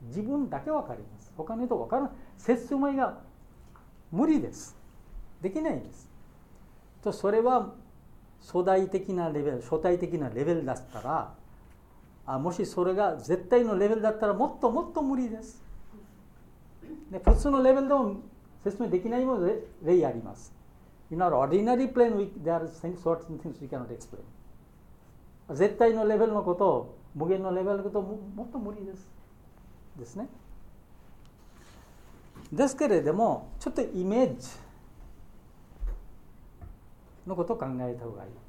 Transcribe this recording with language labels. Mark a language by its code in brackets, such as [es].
[ja] 自分だけ分かります。他の人分からない、説明が無理です。できないです。とそれは初代的なレベル、初代的なレベルだったら、あ、もしそれが絶対のレベルだったらもっともっと無理です。で普通のレベルでも説明できないもので例あります。 [en] In our ordinary plane we, there are certain sorts of things we cannot explain。 [ja] 絶対のレベルのこと、無限のレベルのこと もっと無理です。ですね。ですけれどもちょっとイメージのことを考えた方がいい。